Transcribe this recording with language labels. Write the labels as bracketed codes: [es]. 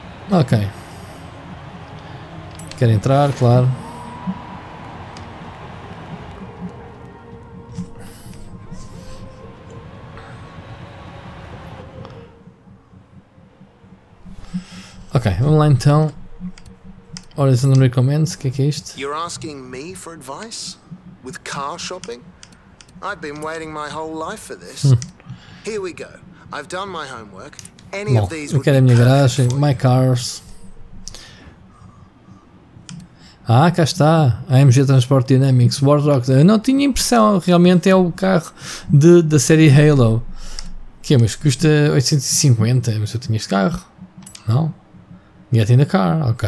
[pt] Ok, quero entrar, claro. Ok, vamos lá então. Horizon Recommends, o que é isto? [en] You're asking me for advice? With car shopping? I've been waiting my whole life for this. Here we go. I've done my homework. Any [pt] bom, [en] of these [pt] eu quero a minha garagem, [en] my cars. [pt] Ah, cá está. AMG Transport Dynamics, Warthog. Eu não tinha impressão, realmente é o carro da série Halo. Que é, mas custa 850, mas eu tinha este carro. Não? [en] Get in the car, ok.